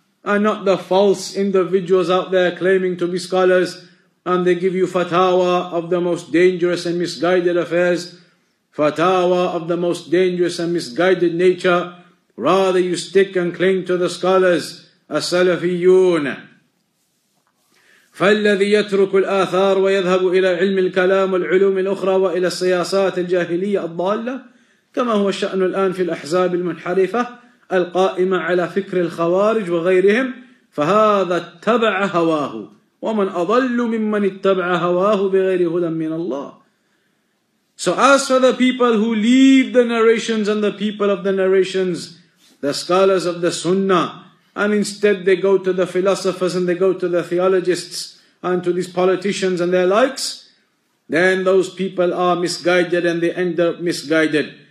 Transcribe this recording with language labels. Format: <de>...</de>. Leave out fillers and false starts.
<en>And not the false individuals out there claiming to be scholars. And they give you fatawa of the most dangerous and misguided affairs. Fatawa of the most dangerous and misguided nature. Rather you stick and cling to the scholars. As-salafiyyun.</en> <ar>فالذي يترك الآثار ويذهب إلى علم الكلام والعلوم الأخرى وإلى السياسات الجاهلية الضالة كما هو الشأن الآن في الأحزاب المنحرفة القائمة على فكر الخوارج وغيرهم فهذا اتبع هواه ومن أضل ممن اتبع هواه بغير هدى من الله.</ar> <en>So as for the people who leave the narrations and the people of the narrations, the scholars of the sunnah, and instead they go to the philosophers and they go to the theologists and to these politicians and their likes, then those people are misguided and they end up misguided.</en>